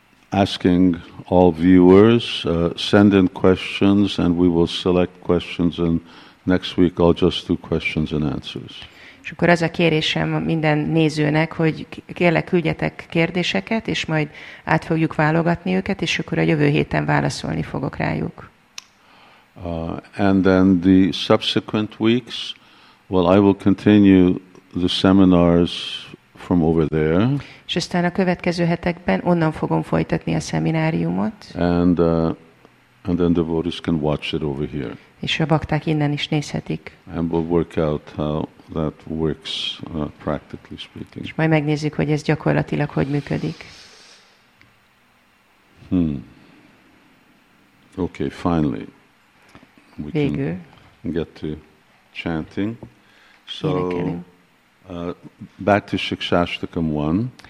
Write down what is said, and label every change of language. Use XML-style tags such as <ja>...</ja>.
<en>Asking all viewers, send in questions and we will select questions and next week I'll just do questions and answers.</en> <hu>És akkor az a kérésem minden nézőnek, hogy kérlek, küldjetek kérdéseket, és majd át fogjuk válogatni őket, és akkor a jövő héten válaszolni fogok rájuk.</hu> <en>And then the subsequent weeks, well, I will continue the seminars from over there.</en> <hu>És aztán a következő hetekben onnan fogom folytatni a szemináriumot.</hu> <en>And then the devotees can watch it over here.</en> <hu>És a bakták innen is nézhetik.</hu> <en>And we'll work out how that works, practically speaking.</en> <hu>És majd megnézzük, hogy ez gyakorlatilag hogy működik.</hu> <en>Okay, finally. We</en> <hu>végül.</hu> <en>Can get to chanting. So, back to Shikshashtakam 1.</en>